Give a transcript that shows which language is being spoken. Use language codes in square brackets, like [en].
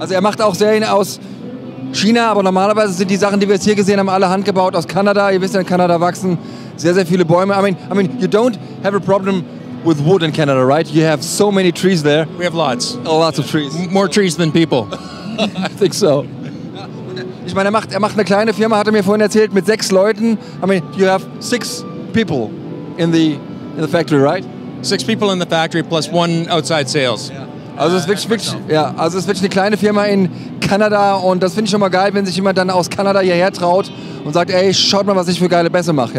[de] Also, macht auch Serien aus China, aber normalerweise sind die Sachen, die wir jetzt hier gesehen haben, alle handgebaut aus Kanada. Ihr wisst, in Kanada wachsen sehr, sehr viele Bäume. [en] I mean, you don't have a problem with wood in Canada, right? You have so many trees there. We have lots. Oh, lots of trees. More trees than people. I think so. [de] Ich meine, er macht eine kleine Firma, hat er mir vorhin erzählt, mit 6 Leuten. [en] I mean, you have 6 people in the factory, right? 6 people in the factory plus 1 outside sales. Yeah. [de] Also es ist wirklich, ja, also es ist wirklich eine kleine Firma in Kanada, und das finde ich schon mal geil, wenn sich jemand dann aus Kanada hierher traut und sagt, ey, schaut mal, was ich für geile Bässe mache.